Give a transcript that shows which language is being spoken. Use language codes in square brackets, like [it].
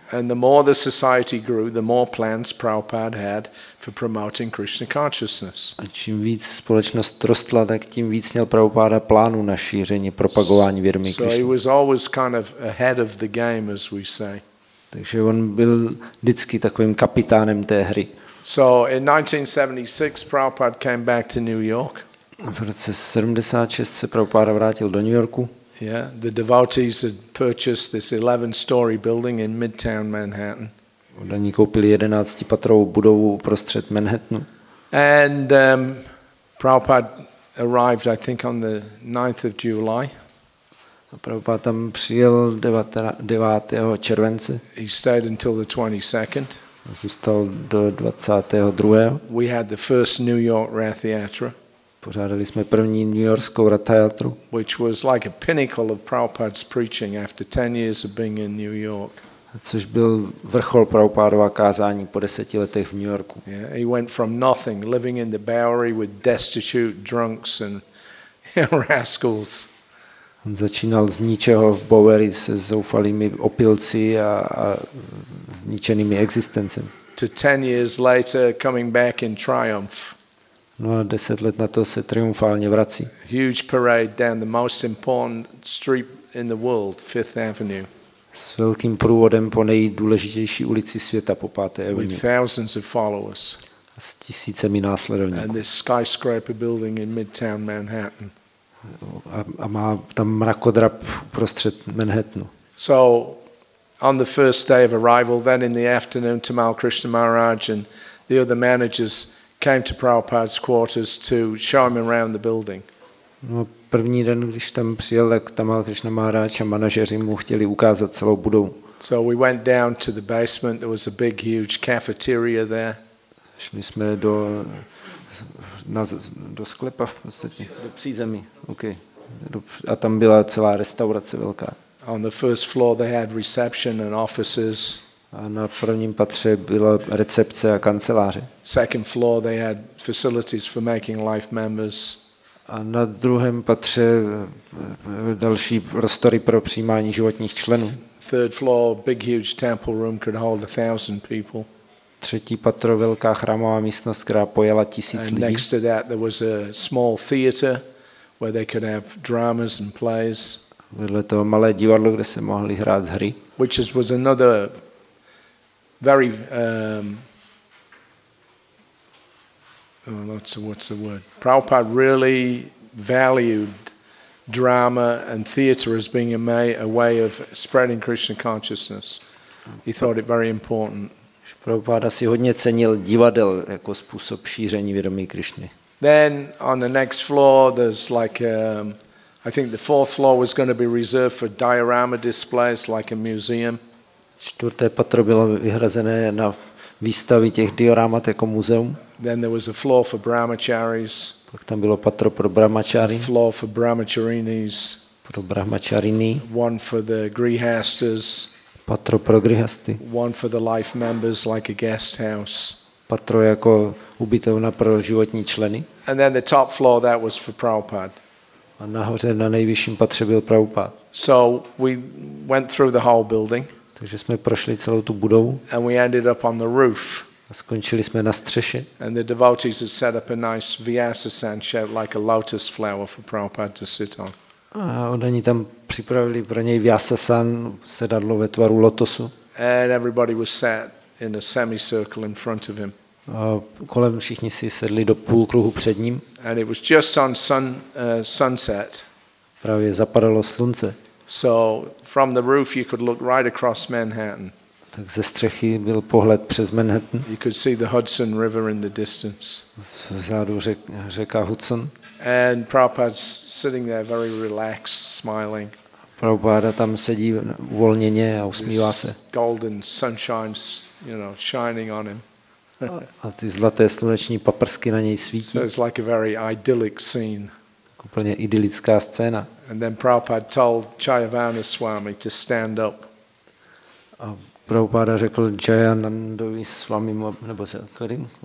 [en] And the more the society grew, the more plans Prabhupada had for promoting Krishna consciousness. [cs] A čím víc společnost rostla, tak tím víc měl Prabhupada plánů na šíření, propagování vědomí Krishna. [en] So he was always kind of ahead of the game, as we say. [cs] Takže on byl vždycky takovým kapitánem té hry. [en] So in 1976 Prabhupada came back to New York. [cs] V roce 76 se Prabhupada vrátil do New Yorku. [en] Yeah, the devotees had purchased this 11-story building in Midtown Manhattan. [cs] Oni koupili 11-patrovou budovu uprostřed Manhattanu. [en] And Prabhupada arrived, I think, on the 9th of July. [cs] A Prabhupada tam přijel 9. července. [en] He stayed until the 22nd. [cs] A zůstal do 22. [en] We had the first New York Rath Yatra. [cs] Pořádali jsme první New Yorkskou ratajatru, [en] which was like a pinnacle of Prabhupada's preaching after 10 years of being in New York. [cs] Což byl vrchol Prabhupádova kázání po 10 letech v New Yorku. [en] Yeah, he went from nothing, living in the Bowery with destitute drunks and rascals. [cs] On začínal z ničeho v Bowery se zoufalými opilci a zničenými existencemi. [en] To 10 years later coming back in triumph. [cs] No a 10 let na to se triumfálně vrací. [en] Huge parade down the most important street in the world, Fifth Avenue. [cs] S velkým průvodem po nejdůležitější ulici světa, po 5. Avenue. [en] With thousands of followers. [cs] S tisícemi následovníků. [en] And this skyscraper building in Midtown Manhattan. [cs] A má tam mrakodrap uprostřed Manhattanu. [en] So on the first day of arrival, then in the afternoon, Tamal Krishna Maharaj and the other managers came to Prabhupada's quarters to show him around the building. [cs] No, první den, když tam přijel, tak Tamal Krishna Maharaj a manažeři mu chtěli ukázat celou budovu. [en] So we went down to the basement. There was a big, huge cafeteria there. [cs] Šli jsme do sklepa v podstatě, do přízemí. Okay. A tam byla celá restaurace velká. [en] On the first floor they had reception and offices. [cs] A na prvním patře byla recepce a kanceláře. [en] Second floor they had facilities for making life members. [cs] A na druhém patře další prostory pro přijímání životních členů. [en] Third floor big huge temple room could hold 1,000 people. [cs] Třetí patro velká chrámová místnost, která pojala 1,000 lidí. [en] And next to that there was a small theater where they could have dramas and plays. [cs] Vedle toho malé divadlo, kde se mohly hrát hry. [en] Which was another very what's the word? Prabhupada really valued drama and theater as being a way of spreading Krishna consciousness. He thought it very important. [cs] Prabhupada si hodně cenil divadel jako způsob šíření vědomí Krišny. [en] Then on the next floor there's like I think the fourth floor was going to be reserved for diorama displays like a museum. [cs] Čtvrté patro bylo vyhrazené na výstavy těch dioramat jako muzeum. [en] Then there was a floor for brahmacharis. [cs] Pak tam bylo patro pro brahmačary. [en] Floor for brahmacharinis. [cs] Pro brahmačariny. [en] One for the grihasthas. [cs] Patro pro grihasty. [en] One for the life members like a guest house. [cs] Patro jako ubytovna pro životní členy. [en] And then the top floor that was for Prabhupada. [cs] A nahoře na nejvyšším patře byl Prabhupád. [en] So we went through the whole building. [cs] Takže jsme prošli celou tu budovu. [en] And we ended up on the roof. [cs] A skončili jsme na střeše. [en] And the devotees had set up a nice vyasa sanchet like a lotus flower for Prabhupada to sit on. [cs] A oni tam připravili pro něj vyasa san sedadlo ve tvaru lotosu. [en] And everybody was sat in a semicircle in front of him. [cs] A kolem všichni si sedli do půlkruhu před ním. [en] And it was just on sunset. [cs] Právě zapadalo slunce. [en] So from the roof you could look right across Manhattan. [cs] Tak ze střechy byl pohled přes Manhattan. [en] You could see the Hudson River in the distance. [cs] Vzadu řeka Hudson. [en] And Prabhupada's sitting there very relaxed, smiling. [cs] Prabhupada tam sedí uvolněně a usmívá se. [en] Golden sunshine, you know, shining on him. [cs] A ty zlaté sluneční paprsky na něj svítí. [en] So it's like a very idyllic scene. [cs] Úplně idylická scéna. [en] And then Prabhupada told Jayavana Swami to stand up. [cs] A Prabhupada řekl Jayanandovi Swami nebo se kterým?